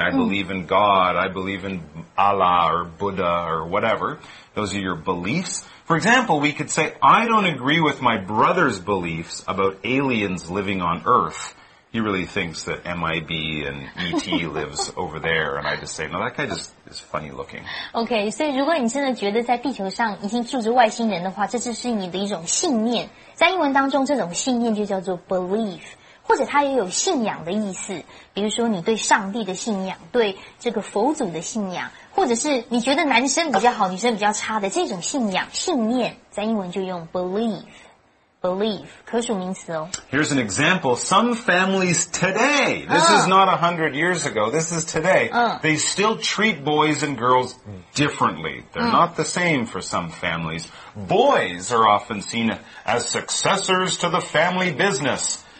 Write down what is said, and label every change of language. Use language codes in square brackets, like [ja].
[en] I believe in God, I believe in Allah or Buddha or whatever. Those are your beliefs. For example, we could say, I don't agree with my brother's beliefs about aliens living on Earth. He really thinks that MIB and ET lives over there. And I just say, no, that guy just is funny looking. [zh] Okay, 所以如果你真的觉得在地球上已经住着外星人的话，这就是你的一种信念。在英文当中，这种信念就叫做 belief. 或者它也有信仰的意思，比如说你对上帝的信仰，对这个佛祖的信仰，或者是你觉得男生比较好，女生比较差的这种信仰，信念，在英文就用 belief, belief, 可数名词哦。 [en] Here's an example, some families today, this is not 100 years ago, this is today, they still treat boys and girls differently. They're not the same for some families. Boys are often seen as successors to the family business.